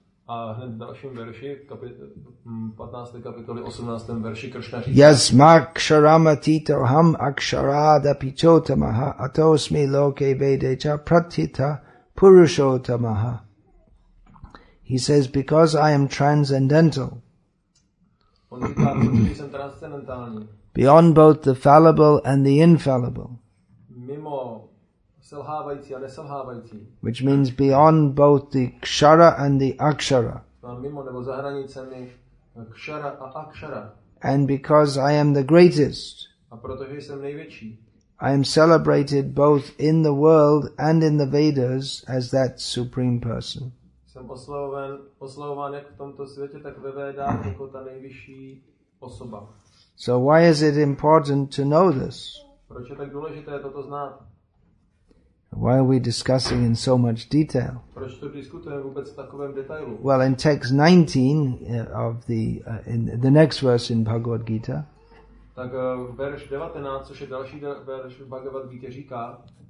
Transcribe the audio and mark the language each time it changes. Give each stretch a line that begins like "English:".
Czech: A hned v dalším verši, v 15. kapitoli, 18. verši, Krishna říká.
Sanskrit: Yasmaksharamatitoham aksharadapichotamaha atosmi loke vedeca pratita purushotamaha.
English: He says, because I am transcendental.
Czech: On říká, protože jsem transcendentální.
English: Beyond both the fallible and the infallible.
Czech: Mimo selhávající a neselhávající.
English: Which means beyond both the kshara and the akshara.
Czech: Mimo nebo za hranicemi kshara a akshara.
English: And because I am the greatest.
Czech: A protože jsem největší.
English: I am celebrated both in the world and in the Vedas as that supreme person.
Czech: Jsem oslavován jak v tomto světě, tak ve Vedách jako ta nejvyšší osoba.
English: So why is it important to know this?
Czech: Proč je tak důležité toto znát?
English: Why are we discussing in so much detail?
Czech: Proč to diskutujeme vůbec v takovém detailu?
English: Well, in text 19 of the in the next verse in Bhagavad Gita.
Czech: Tak verš 19, což je další verš v Bhagavad Gita, říká.